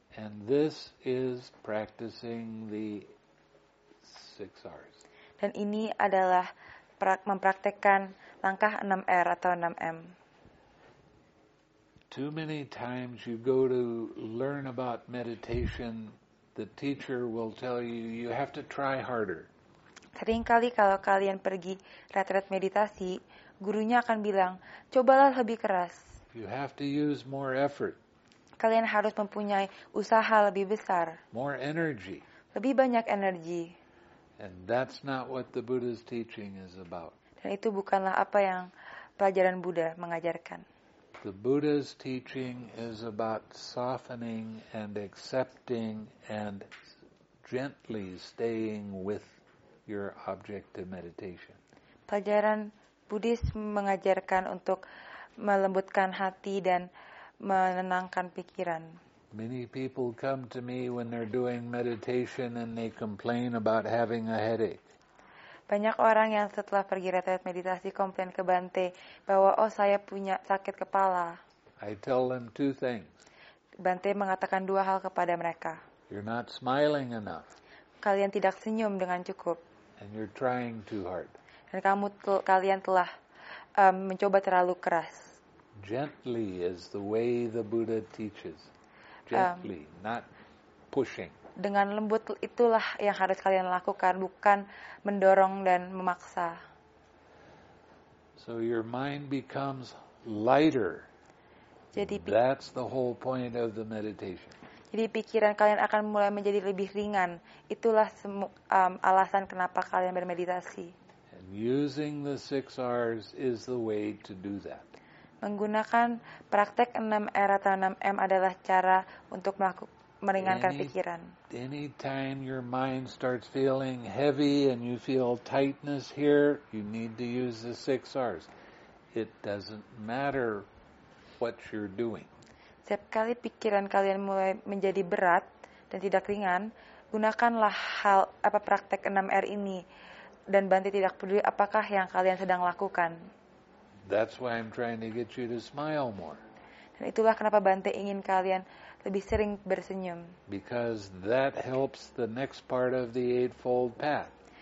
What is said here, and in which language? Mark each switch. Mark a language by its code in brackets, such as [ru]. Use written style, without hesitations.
[en] And this is practicing the 6 R's. [id] Dan ini adalah mempraktikkan langkah 6R atau 6M. [en] Too many times you go to learn about meditation, the teacher will tell you, you have to try harder. [id] Seringkali kalau kalian pergi retret meditasi, gurunya akan bilang, cobalah lebih keras. [en] You have to use more effort. [id] Kalian harus mempunyai usaha lebih besar. [en] More energy. [id] Lebih banyak energi. [en] And that's not what the Buddha's teaching is about. [id] Dan itu bukanlah apa yang pelajaran Buddha mengajarkan. [en] The Buddha's teaching is about softening and accepting and gently staying with your object of meditation. [id] Pelajaran Buddhis mengajarkan untuk melembutkan hati dan menenangkan pikiran. [en] Many people come to me when they're doing meditation and they complain about having a headache. [id] Banyak orang yang setelah pergi retret meditasi komplain ke Bante bahwa oh saya punya sakit kepala. [en] I tell them two things. [id] Bante mengatakan dua hal kepada mereka. [en] You're not smiling enough. [id] Kalian tidak senyum dengan cukup. [en] And you're trying too hard. [id] Dan kalian telah mencoba terlalu keras. [en] Gently is the way the Buddha teaches. Gently, not pushing. [id] Dengan lembut itulah yang harus kalian lakukan, bukan mendorong dan memaksa. [en] So your mind becomes lighter. [id] Jadi, [en] that's the whole point of the meditation. [id] Jadi pikiran kalian akan mulai menjadi lebih ringan. Itulah alasan kenapa kalian bermeditasi. [en] And using the 6 R's is the way to do that. [id] Menggunakan praktek 6R atau 6M adalah cara untuk meringankan pikiran. [en] Any time your mind starts feeling heavy and you feel tightness here, you need to use the 6 R's. It doesn't matter what you're doing. [id] Setiap kali pikiran kalian mulai menjadi berat dan tidak ringan, gunakanlah praktek 6R ini dan Bante tidak peduli apakah yang kalian sedang lakukan. [en] That's why I'm trying to get you to smile more. [id] Dan itulah kenapa Bante ingin kalian lebih sering bersenyum. [en] Because that helps the next part of the Eightfold Path.